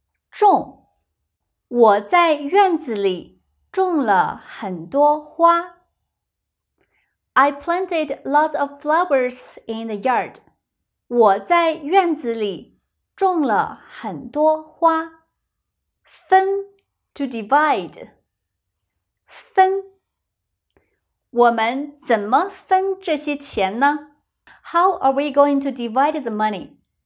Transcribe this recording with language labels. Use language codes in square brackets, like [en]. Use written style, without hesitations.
[zh] 种我在院子里种了很多花。 [en] I planted lots of flowers in the yard. [zh] 我在院子里种了很多花。 [en] 分 to divide. [zh] 分我们怎么分这些钱呢? [en] How are we going to divide the money?